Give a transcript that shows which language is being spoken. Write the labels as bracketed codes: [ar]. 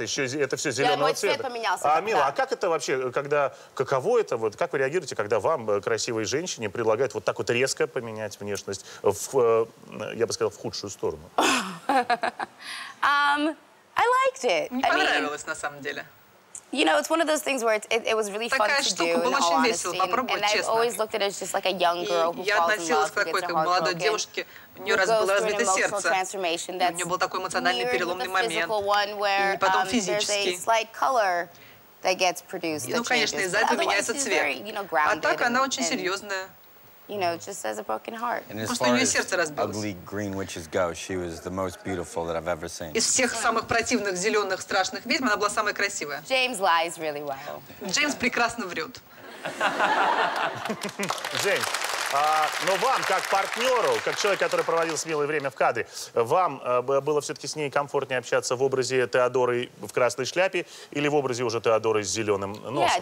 [ru] Еще это все зеленого цвета. Мой цвет поменялся. Мила, а как это вообще, когда... Каково это? Вот как вы реагируете, когда вам, красивой женщине, предлагают вот так вот резко поменять внешность в, я бы сказал, в худшую сторону? [en] I liked it. [ru] Мне понравилось, на самом деле. [en] You know, it's one of those things where it was really fun to do. [ru] Такая штука была очень весело, попробовать, честно. [en] And I've always looked at it as just like a young girl who falls in love. [ru] Я относилась к такой молодой девушке, у нее раз было разбито сердце. У нее был такой эмоциональный переломный момент. И потом физический. [en] That gets produced. [ru] Ну, конечно, из-за этого меняется цвет. А так она очень серьезная. [en] You know, just as a broken heart. And as far as ugly green witches go, she was the most beautiful that I've ever seen. [ru] Из всех самых противных зеленых страшных ведьм она была самая красивая. [en] James lies really well. [ru] Джеймс прекрасно врет. Джеймс, но вам, как партнеру, как человек, который проводил с Милой время в кадре, вам было все-таки с ней комфортнее общаться в образе Теодоры в красной шляпе или в образе уже Теодоры с зеленым носом?